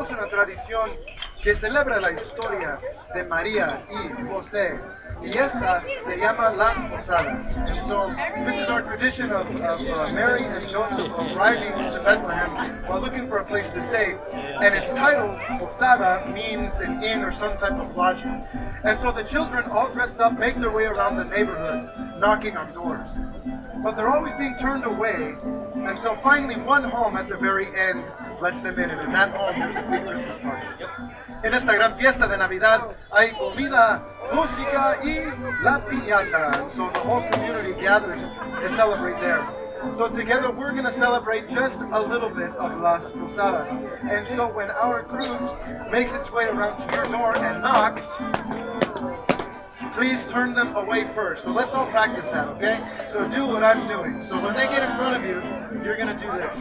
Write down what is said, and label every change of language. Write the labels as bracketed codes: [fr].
[es] tradición que celebra la historia de María y José. Y esta se llama Las Posadas. [en] So this is our tradition of Mary and Joseph arriving to Bethlehem while looking for a place to stay. And its title, Posada, means an inn or some type of lodging. And so the children, all dressed up, make their way around the neighborhood, knocking on doors. But they're always being turned away until finally one home at the very end lets them in. And in that home, there's a big Christmas party. [es] En esta gran fiesta de Navidad, hay comida, música y la piñata. [en] So the whole community gathers to celebrate there. So together we're going to celebrate just a little bit of Las Posadas. And so when our group makes its way around to your door and knocks, please turn them away first. So let's all practice that, okay? So do what I'm doing. So when they get in front of you, you're going to do this.